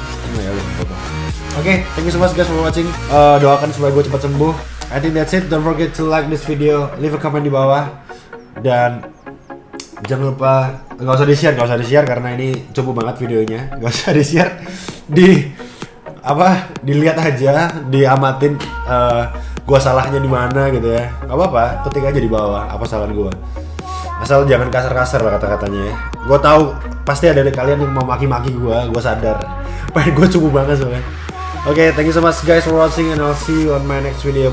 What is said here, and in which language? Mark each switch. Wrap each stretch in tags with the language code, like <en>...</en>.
<en>Nah, ya, okay, thank you so much guys for watching.</en> <id>Doakan supaya gue cepat sembuh.</id> <en>I think that's it. Don't forget to like this video, leave a comment</en> <id>di bawah, dan jangan lupa nggak usah di share karena ini cepuh banget videonya. Gak usah di share di apa, dilihat aja, diamatin gua salahnya di mana gitu ya. Enggak apa-apa, ketik aja di bawah apa salah gua. Asal jangan kasar-kasar lah kata-katanya ya. Gua tahu pasti ada dari kalian yang mau maki-maki gua sadar. Pengen gua cupu banget soalnya.</id> <en>Okay, thank you so much guys for watching and I'll see you on my next video.</en>